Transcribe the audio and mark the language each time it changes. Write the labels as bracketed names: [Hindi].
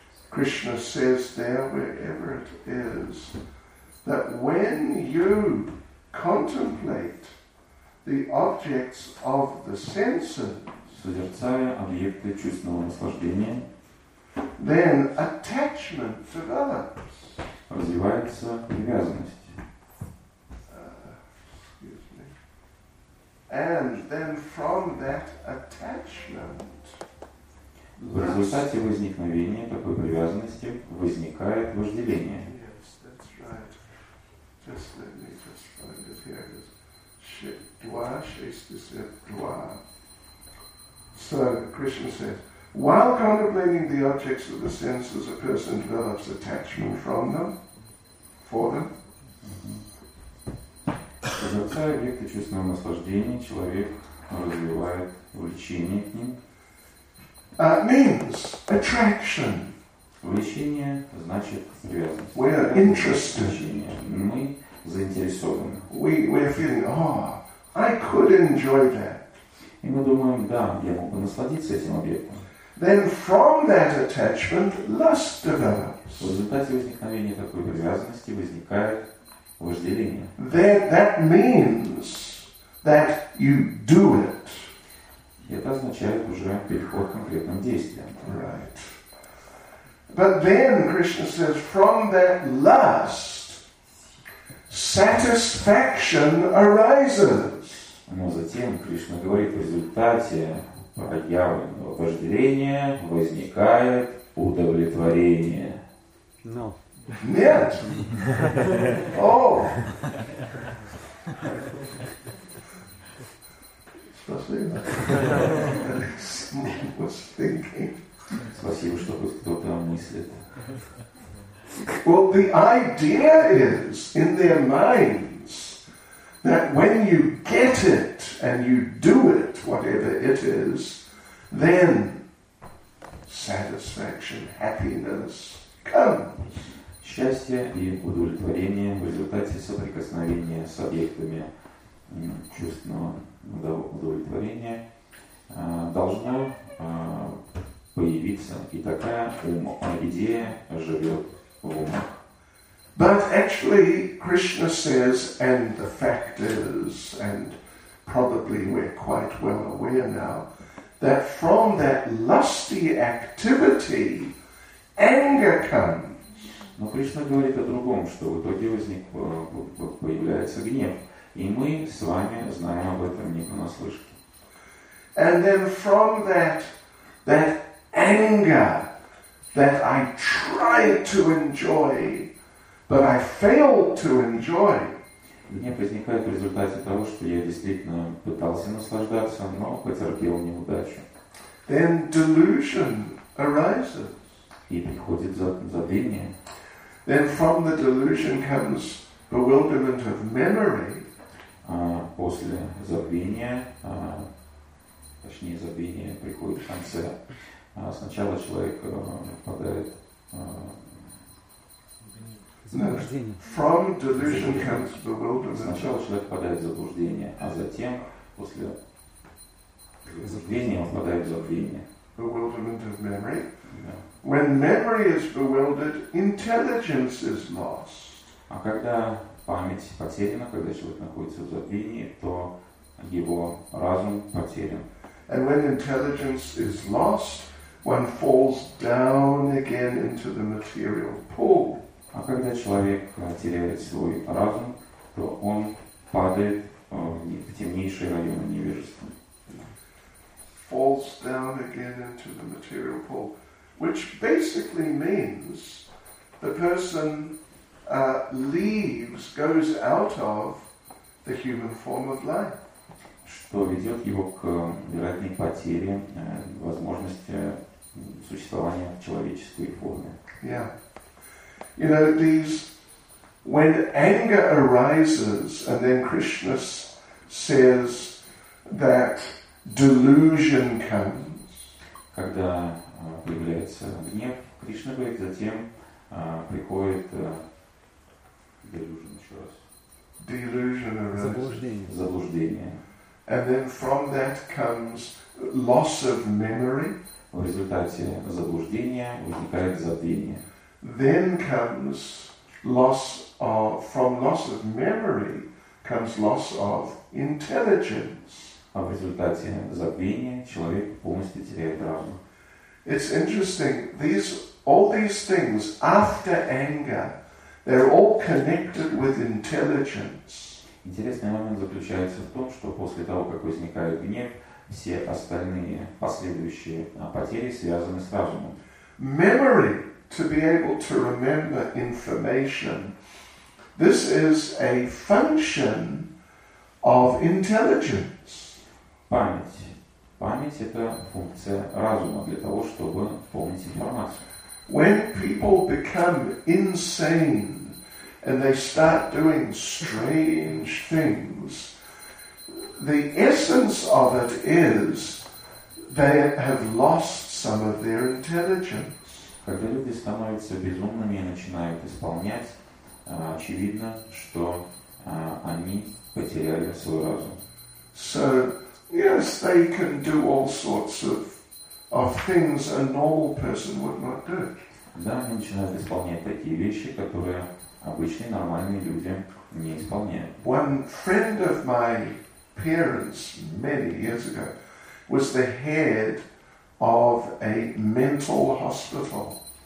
[English] Krishna says there, wherever it is, that when you contemplate the objects of the senses, [Russian] созерцая объекты чувственного наслаждения, [English] then attachment develops. [Russian] Развивается привязанность. [English] Excuse me. And then from that attachment, [Russian] в результате возникновения такой привязанности возникает вожделение. [English] Yes, that's right. Just let me just find it here. It's Shetva, Shestisetva. So Krishna says, while contemplating the objects of the senses, a person develops attachment from them, for them. [Russian] Созерцая объекты чувственного наслаждения, человек развивает влечение к ним. [English] Means attraction. [Russian] Влечение значит привязанность. [English] We are interested. [Russian] Мы заинтересованы. [English] We're feeling, I could enjoy that. [Russian] И мы думаем, да, я мог бы насладиться этим объектом. [English] Then from that attachment, lust develops. [Russian] В результате возникновения такой привязанности возникает вожделение. [English] That means that you do it. [Russian] Это означает уже переход к конкретным действиям. [English] Right. But then Krishna says, from that lust, satisfaction arises. [Russian] Но затем Кришна говорит, в результате проявленного вожделения возникает удовлетворение. [English] No. [Russian] Нет. Спасибо. Спасибо, что хоть кто-то мыслит. [English] Well, the idea is in their minds that when you get it and you do it, whatever it is, then satisfaction, happiness comes. [Russian] Счастье и удовлетворение в результате соприкосновения с объектами чувственного удовлетворения должно появиться, и такая идея живет в умах. [English] But actually, Krishna says, and the fact is, and probably we're quite well aware now, that from that lusty activity, anger comes. [Russian] Но Кришна говорит о другом, что в итоге возник, появляется гнев. И мы с вами знаем об этом не понаслышке. [English] And then from that anger that I tried to enjoy, but I failed to enjoy. [Russian] Гнев возникает в результате того, что я действительно пытался наслаждаться, но потерпел неудачу. [English] Then delusion arises. [Russian] И приходит забвение. [English] Then from the delusion comes bewilderment of memory. [Russian] После забвения, точнее забвения, приходит в конце. Сначала человек впадает [English] From delusion comes bewilderment. [Russian] Сначала человек впадает в заблуждение, а затем, после забвения, он впадает в забвение. [English] Bewilderment of memory. Yeah. When memory is bewildered, intelligence is lost. [Russian] А когда память потеряна, когда человек находится в забвении, то его разум потерян. [English] And when intelligence is lost, one falls down again into the material pool. [Russian] А когда человек теряет свой разум, то он падает в темнейшие районы невежества. [English] Falls down again into the material pool, which basically means the person leaves, goes out of the human form of life. [Russian] Что ведет его к вероятной потере возможности существования в человеческой форме. [English] Yeah. You know, these, when anger arises, and then Krishna says that delusion comes. [Russian] Когда появляется гнев, Кришна говорит, затем приходит delusion, еще раз. [English] Delusion arises. [Russian] Заблуждение. [English] And then from that comes loss of memory. [Russian] В результате заблуждения возникает забвение. [English] Then comes loss of, from loss of memory comes loss of intelligence. [Russian] А в результате забвения человек полностью теряет разум. [English] It's interesting, all these things after anger, they're all connected with intelligence. [Russian] Интересный момент заключается в том, что после того, как возникает гнев, все остальные последующие потери связаны с разумом. [English] Memory. To be able to remember information, this is a function of intelligence. [Russian] Память это функция разума для того, чтобы помнить информацию. [English] When people become insane and they start doing strange things, the essence of it is they have lost some of their intelligence. [Russian] Когда люди становятся безумными и начинают исполнять, очевидно, что они потеряли свой разум. [English] So, yes, they can do all sorts of things a normal person would not do. [Russian] Да, они начинают исполнять такие вещи, которые обычные нормальные люди не исполняют. [English] One friend of my parents many years ago was the head of a mental hospital.